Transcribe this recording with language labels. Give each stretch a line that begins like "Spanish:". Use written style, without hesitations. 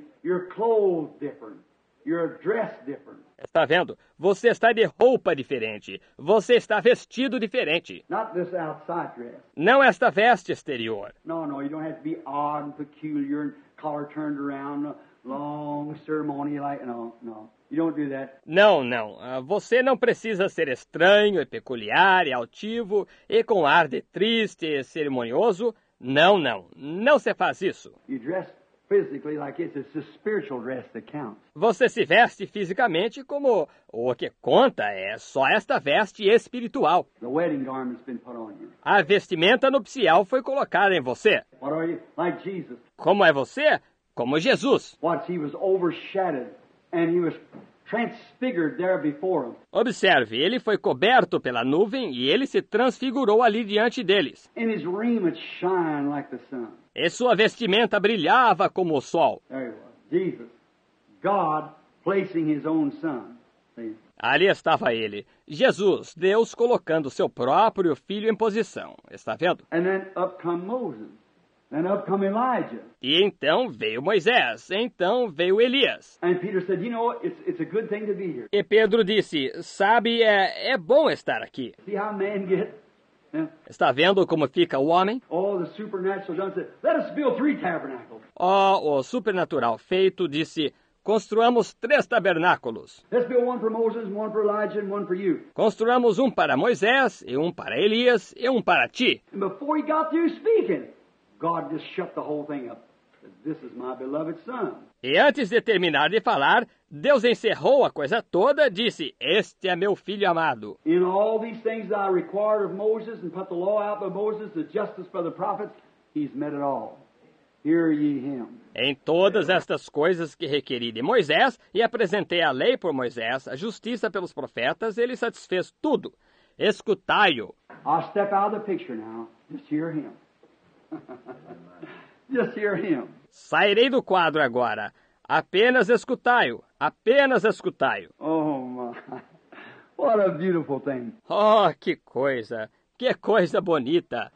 English: You're clothed different. You're dressed different.
Portuguese: Está vendo? Você está de roupa diferente. Você está vestido diferente.
English: Not this outside dress.
Portuguese: Não esta veste exterior.
English: No, no, you don't have to be odd and peculiar and collar turned around, long ceremony like, no, no. You don't do that.
Portuguese: Não, não. Você não precisa ser estranho e peculiar e altivo e com ar de triste e cerimonioso. Não, não. Não se faz isso.
English: You dress physically like it's a spiritual dress that counts.
Portuguese: Você se veste fisicamente como o que conta é só esta veste espiritual.
English: The wedding garment's been put on you.
Portuguese: A vestimenta nupcial foi colocada em você.
English: What are you? Like Jesus.
Portuguese: Como é você? Como Jesus.
English: Watch, he was overshadowed and he was transfigured there before him.
Portuguese: Observe, ele foi coberto pela nuvem e ele se transfigurou ali diante deles.
English: And his raiment shined like the sun.
Portuguese: E sua vestimenta brilhava como o sol.
English: Jesus, God placing his own son.
Portuguese: Ali estava ele, Jesus, Deus colocando seu próprio filho em posição. Está vendo?
English: And then up come Moses. Then up come Elijah.
Portuguese: E então veio Moisés, então veio Elias.
English: And Peter said, you know, it's a good thing to be here.
Portuguese: E Pedro disse, sabe, é bom estar aqui.
English: See how man gets?
Portuguese: Está vendo como fica o homem?
English: Oh, the supernatural John said, let us build three tabernacles.
Portuguese: O supernatural feito disse, construamos três tabernáculos.
English: Let's build one for Moses, one for Elijah, and one for you.
Portuguese: Construamos um para Moisés, e um para Elias, e um para ti.
English: And before he got through speaking, God just shut the whole thing up. This is my beloved son.
Portuguese: E antes de terminar de falar, Deus encerrou a coisa toda, disse, este é meu filho amado.
English: In all these things that I required of Moses and put the law out by Moses, the justice for the prophets, he's met it all. Hear ye him.
Portuguese: Em todas estas coisas que requeri de Moisés e apresentei a lei por Moisés, a justiça pelos profetas, ele satisfez tudo. Escutai-o.
English: I'll step out of the picture now. Just hear him. Just hear him.
Portuguese: Sairei do quadro agora. Apenas escutai-o. Apenas escutai-o.
English: Oh, my. What a beautiful thing.
Portuguese: Oh, que coisa. Que coisa bonita.